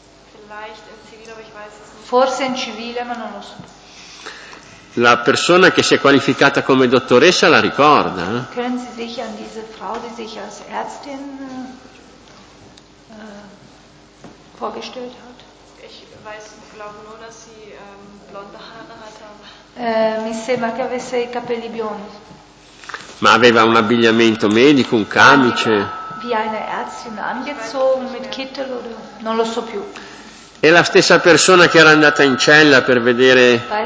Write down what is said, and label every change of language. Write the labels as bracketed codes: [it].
[de] Vielleicht [it] in civile, [de] aber ich weiß es. [it] Forse in civile, ma non lo so. La persona che si è qualificata come dottoressa la ricorda? [de] Können Sie sich an diese Frau, die sich als Ärztin vorgestellt hat? Ich weiß, glaube nur, dass sie blonde Haare hatte. [it] Mi sembra che avesse i capelli biondi. Ma aveva un abbigliamento medico, un camice? [de] Wie eine Ärztin angezogen, mit Kittel oder? [it] Non lo so più. È la stessa persona che era andata in cella per vedere.